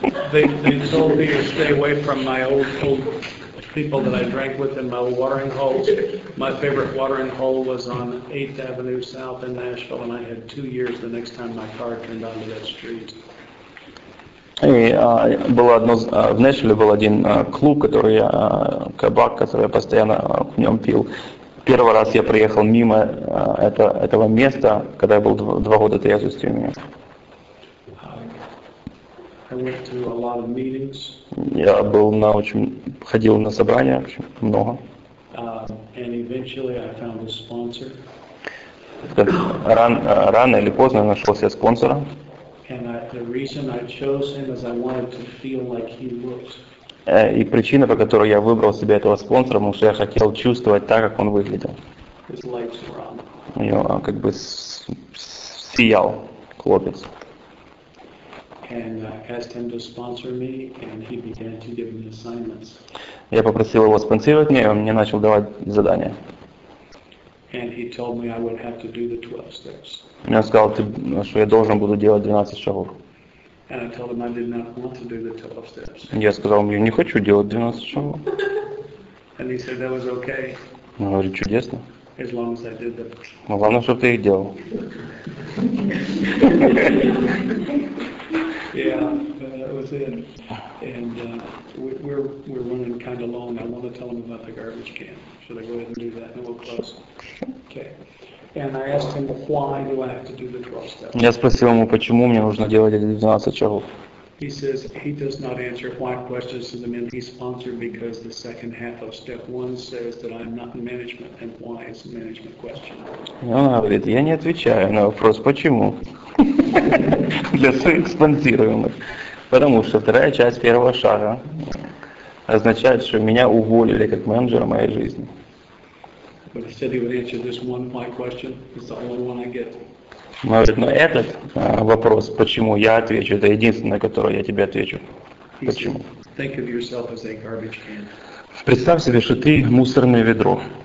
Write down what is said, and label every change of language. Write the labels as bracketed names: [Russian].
[English] They told me to stay away from my old people that I drank with in my watering holes. My favorite watering hole was on 8th Avenue South in Nashville, and I had 2 years the next time my car turned onto that street. [Russian] В Нэшвилле был один клуб, кабак, который я постоянно в нем пил. Первый раз я приехал мимо этого места, когда я был 2 года трезвостью у меня. [English] I went to a lot of meetings. [Russian] Я был на очень ходил на собрания, много. [English] And eventually I found a sponsor. [Russian] Рано или поздно я нашел себе спонсора. [English] And the reason I chose him is I wanted to feel like he looked. [Russian] И причина, по которой я выбрал себе этого спонсора, потому что я хотел чувствовать так, как он выглядел. [English] His lights were on. [Russian] Он как бы сиял, клубец. [English] And asked him to sponsor me, and he began to give me assignments. [Russian] Я попросил его спонсировать меня, и он мне начал давать задания. [English] And he told me I would have to do the 12 steps. [Russian] Он сказал, что я должен буду делать 12 шагов. [English] And I told him I did not want to do the 12 steps. [Russian] Я сказал ему, я не хочу делать 12 шагов. [English] And he said that was okay. [Russian] Он говорит, чудесно. [English] As long as I did them. [Russian] Но главное, чтобы ты их делал. [English] Yeah, that was it. And we're running kind of long. I want to tell them about the garbage can. Should I go ahead and do that? And we'll close. Okay. [Russian] Я спросил ему, почему мне нужно делать эти 12 шагов. [English] He says he does not answer why questions to the mentee sponsor because the second half of step one says that I'm not in management and why is a management question. [Russian] Он говорит, я не отвечаю на вопрос, почему? Для своих спонсируемых. Потому что вторая часть первого шага означает, что меня уволили как менеджера моей жизни. [English] But he said he would answer this one why question. It's the only one I get. [Russian] Он говорит, но этот вопрос, почему я отвечу, это единственное, на которое я тебе отвечу. Почему? [English] Think of yourself as a garbage can. [Russian] Представь себе, что ты мусорное ведро.